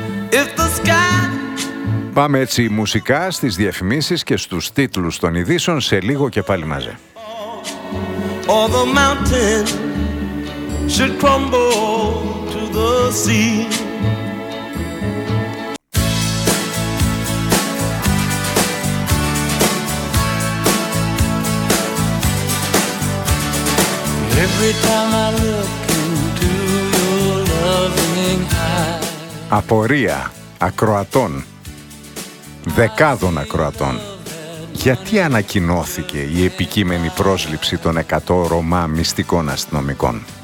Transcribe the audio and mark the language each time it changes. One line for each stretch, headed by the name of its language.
Greek: 18311. Πάμε έτσι μουσικά στις διαφημίσεις και στους τίτλους των ειδήσεων σε λίγο και πάλι μαζί.
English: Or the mountain should crumble to the sea. Every time I look into your loving eyes.
Greek: Απορία ακροατών, δεκάδων ακροατών. Γιατί ανακοινώθηκε η επικείμενη πρόσληψη των 100 Ρωμά μυστικών αστυνομικών?